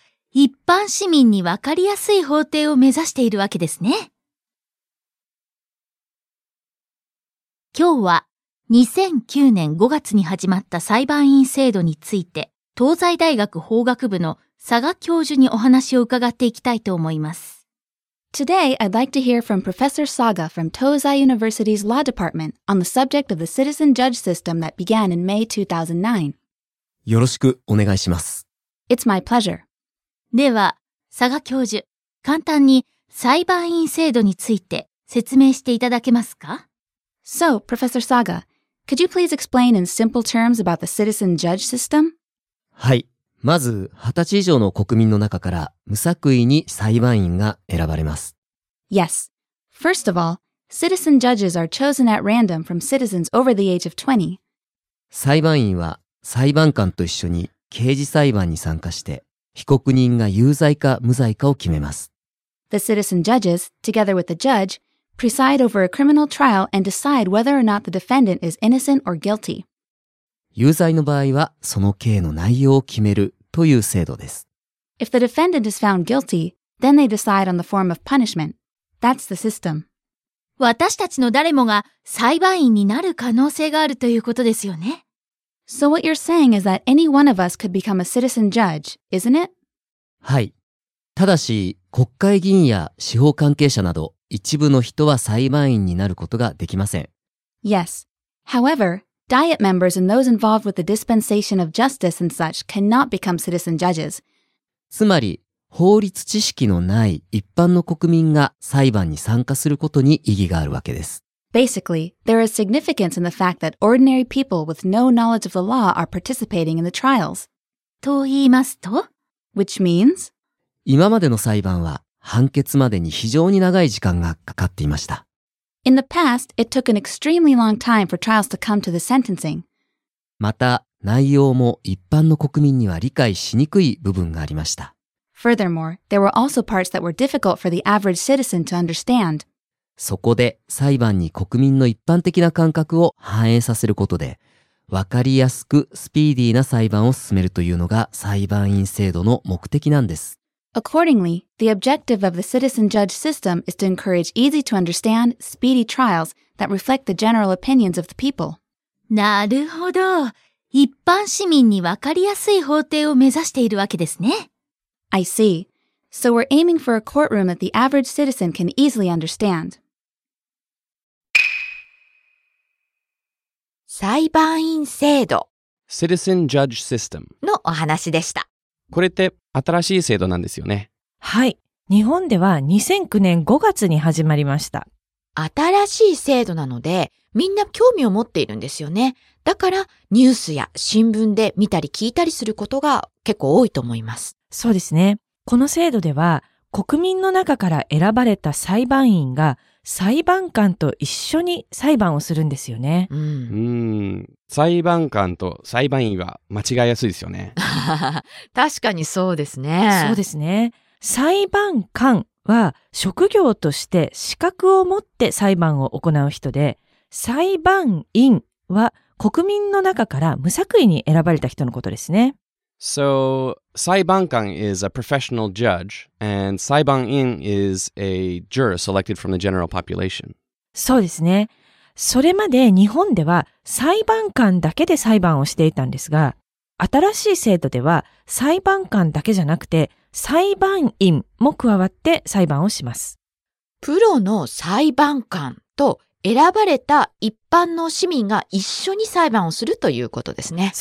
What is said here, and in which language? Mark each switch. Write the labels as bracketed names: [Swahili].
[Japanese] 一般市民に分かりやすい法廷を目指しているわけですね。今日は2009年5月に始まった裁判員制度について東西大学法学部の佐賀教授にお話を伺っていきたいと思います。 [English] Today I'd like to hear from Professor Saga from Tozai University's Law Department on the subject of the citizen judge system that began in May 2009. [Japanese] よろしくお願いします。 [English] It's my pleasure. [Japanese] では佐賀教授、簡単に裁判員制度について説明していただけますか？ [English] So, Professor Saga, could you please explain in simple terms about the citizen judge system? [Japanese] はい。まず、20歳以上の国民の中から無作為に裁判員が選ばれます。 [English] Yes. First of all, citizen judges are chosen at random from citizens over the age of 20. [Japanese] 裁判員は裁判官と一緒に刑事裁判に参加して被告人が有罪か無罪かを決めます。 [English] The citizen judges, together with the judge,preside over a criminal trial and decide whether or not the defendant is innocent or guilty. [Japanese] 有罪の場合はその刑の内容を決めるという制度です。 [English] If the defendant is found guilty, Then they decide on the form of punishment. That's the system. [Japanese] 私たちの誰もが裁判員になる可能性があるということですよね。 [English] So what you're saying is that any one of us could become a citizen judge, isn't it? [Japanese] はい。ただし、国会議員や司法関係者など一部の人は裁判員になることができません。 [English] Yes. However, diet members and those involved with the dispensation of justice and such cannot become citizen judges. [Japanese] つまり、法律知識のない一般の国民が裁判に参加することに意義があるわけです。 [English] Basically, there is significance in the fact that ordinary people with no knowledge of the law are participating in the trials. [Japanese] と言いますと? [English] Which means? [Japanese] 今までの裁判は判決までに非常に長い時間がかかっていました。 [English] In the past, it took an extremely long time for trials to come to the sentencing. [Japanese] また、内容も一般の国民には理解しにくい部分がありました。 [English] Furthermore, there were also parts that were difficult for the average citizen to understand. [Japanese] そこで裁判に国民の一般的な感覚を反映させることで、わかりやすくスピーディーな裁判を進めるというのが裁判員制度の目的なんです。 [English] Accordingly, the objective of the citizen judge system is to encourage easy to understand, speedy trials that reflect the general opinions of the people. [Japanese] なるほど。一般市民にわかりやすい法廷を目指しているわけですね。 [English] I see. So we're aiming for a courtroom that the average citizen can easily understand. [Japanese] 裁判員制度 [English] Citizen Judge System [Japanese] のお話でした。これって新しい制度なんですよね。はい。日本では2009年5月に始まりました。新しい制度なので、みんな興味を持っているんですよね。だからニュースや新聞で見たり聞いたりすることが結構多いと思います。そうですね。この制度では、国民の中から選ばれた裁判員が裁判官と一緒に裁判をするんですよね。裁判官と裁判員は間違いやすいですよね。確かにそうですね。そうですね。裁判官は職業として資格を持って裁判を行う人で、裁判員は国民の中から無作為に選ばれた人のことですね。 [English] So, 裁判官 is a professional judge, and 裁判員 is a juror selected from the general population. [Japanese] そうですね。それまで日本では裁判官だけで裁判をしていたんですが、新しい制度では裁判官だけじゃなくて裁判員も加わって裁判をします。プロの裁判官と選ばれた一般の市民が一緒に裁判をするということですね。